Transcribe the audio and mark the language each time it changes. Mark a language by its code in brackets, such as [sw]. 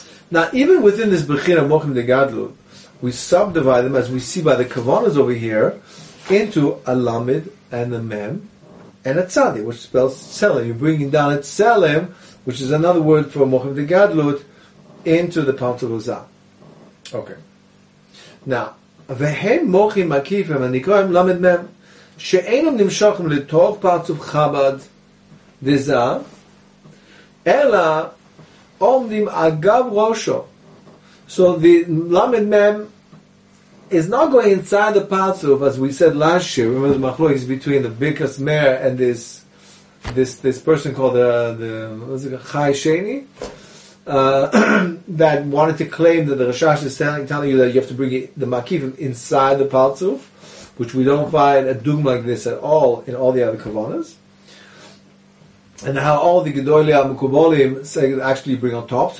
[en] Now, even within this Bechina, Amochim Degadlut, we subdivide them, as we see by the Kavanas over here, into a Lamed and a Mem and a Tzadi, which spells Tselem. You're bringing down a Tselem, which is another word for Amochim Degadlut, into the Pantavu Zah. Okay. Now, [he] והם מוחים מקיפים, אני קורא הם למד מהם, שאינם נמשכים לתוך פרצוף חבד וזה, אלא עומדים אגב ראשו. [en] So the למד מהם is not going inside the parzuf, as we said last year. Remember the machlokes between the Birkas Meir and this person called the what is it, Chai Sheni, that wanted to claim that the Rashash is telling you that you have to bring the makifim inside the parzuf, which we don't find a dugma like this at all in all the other kavanas, and how all the gedolei amekubalim say actually bring on top.